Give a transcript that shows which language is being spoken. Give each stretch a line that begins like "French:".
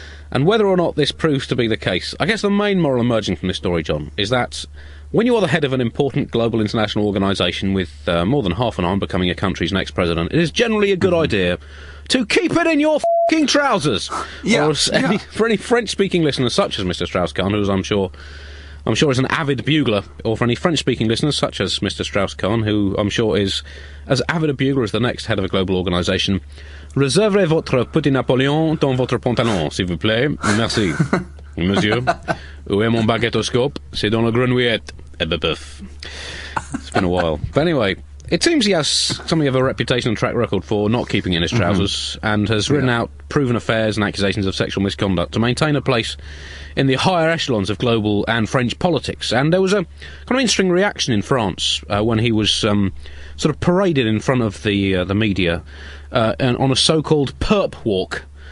English: And whether or not this proves to be the case, I guess the main moral emerging from this story, John, is that when you are the head of an important global international organisation with more than half an arm becoming a country's next president, it is generally a good idea to keep it in your f***ing trousers. Yeah, For any French-speaking listeners such as Mr. Strauss-Kahn, who's I'm sure is an avid bugler, or for any French-speaking listeners such as Mr. Strauss-Kahn, who I'm sure is as avid a bugler as the next head of a global organisation,
French: réservez votre petit Napoléon dans votre pantalon, s'il vous plaît. Merci. Monsieur, où est mon baguettoscope? C'est dans le grenouillette.
English: It's been a while. But anyway, it seems he has something of a reputation and track record for not keeping in his trousers and has written out proven affairs and accusations of sexual misconduct to maintain a place in the higher echelons of global and French politics. And there was a kind of interesting reaction in France when he was sort of paraded in front of the media and on a so-called perp walk.